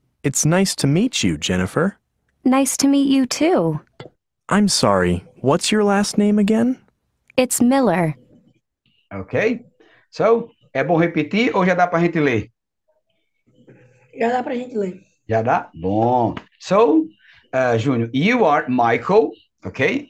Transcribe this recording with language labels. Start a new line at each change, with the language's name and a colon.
English: It's nice to meet you, Jennifer. Nice to meet you too. I'm sorry, what's your last name again? It's Miller. Ok.
Portuguese: So, é bom repetir ou já dá para a gente ler? Já dá pra gente ler. Já dá? Bom.
English: So, Júnior, you are Michael, ok?